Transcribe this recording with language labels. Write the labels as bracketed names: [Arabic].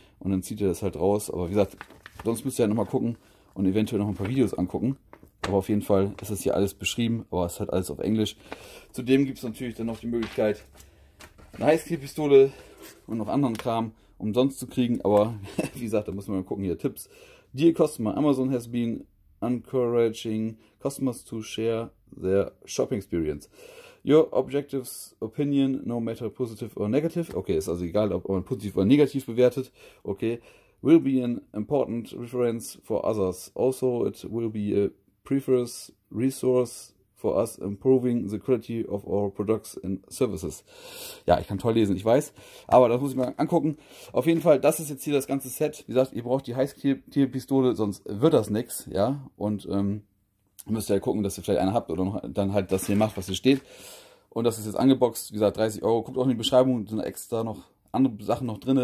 [German] Und dann zieht ihr das halt raus. Aber wie gesagt, sonst müsst ihr halt nochmal gucken und eventuell noch ein paar Videos angucken. Aber auf jeden Fall ist das hier alles beschrieben, aber es ist halt alles auf Englisch. Zudem gibt es natürlich dann noch die Möglichkeit, eine Heißklebepistole und noch anderen Kram umsonst zu kriegen. Aber wie gesagt, da muss man mal gucken. Hier Tipps. [English] Dear customer, Amazon has been encouraging customers to share their shopping experience. Your objectives, opinion, no matter positive or negative. [German] Okay, ist also egal, ob man positiv oder negativ bewertet. [English] Okay, will be an important reference for others. Also, it will be a preferred resource for us, improving the quality of our products and services. [German] Ja, ich kann toll lesen, ich weiß. Aber das muss ich mal angucken. Auf jeden Fall, das ist jetzt hier das ganze Set. Wie gesagt, ihr braucht die Heißklebepistole, sonst wird das nichts. Ja, und müsst ihr ja gucken, dass ihr vielleicht eine habt oder noch dann halt das hier macht, was hier steht. Und das ist jetzt angeboxt. Wie gesagt, 30 Euro. Guckt auch in die Beschreibung, sind extra noch andere Sachen noch drin.